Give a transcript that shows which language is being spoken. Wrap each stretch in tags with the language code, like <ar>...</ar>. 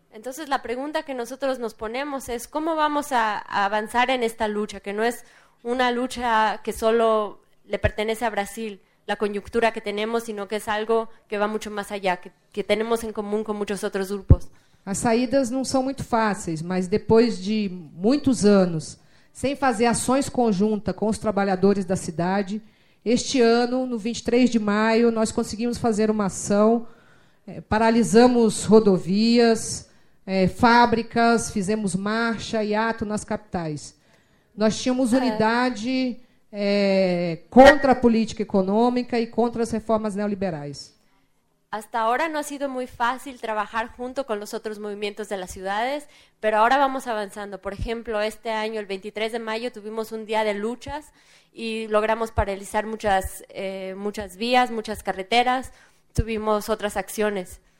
<es>Entonces la pregunta que nosotros nos ponemos es cómo vamos a avanzar en esta lucha, que no es una lucha que solo le pertenece a Brasil, la coyuntura que tenemos, sino que es algo que va mucho más allá, que tenemos en común con muchos otros grupos.</es> <pt>As saídas não são muito fáceis, mas depois de muitos anos, sem fazer ações conjuntas com os trabalhadores da cidade, este ano, no 23 de maio, nós conseguimos fazer uma ação, paralisamos rodovias, fábricas, fizemos marcha e ato nas capitais. Nós tínhamos unidade contra a política econômica e contra as reformas neoliberais.</pt> <es>Hasta ahora no ha sido muy fácil trabajar junto con los otros movimientos de las ciudades, pero ahora vamos avanzando. Por ejemplo, este año, el 23 de mayo, tuvimos un día de luchas y logramos paralizar muchas vías, muchas carreteras, tuvimos otras acciones.</es>